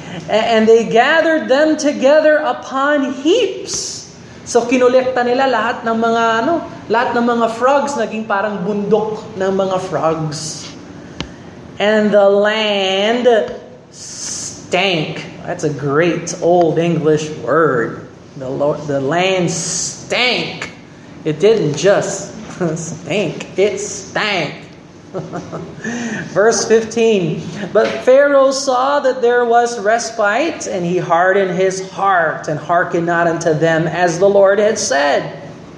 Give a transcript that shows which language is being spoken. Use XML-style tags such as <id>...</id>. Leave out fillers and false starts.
<en>"And they gathered them together upon heaps."</en> <tl>So kinolekta nila lahat ng mga ano, lahat ng mga frogs naging parang bundok ng mga frogs.</tl> <en>"And the land stank." That's a great old English word. The land stank. It didn't just stink, it stank. Verse 15, but Pharaoh saw that there was respite, and he hardened his heart and hearkened not unto them as the Lord had said.</en>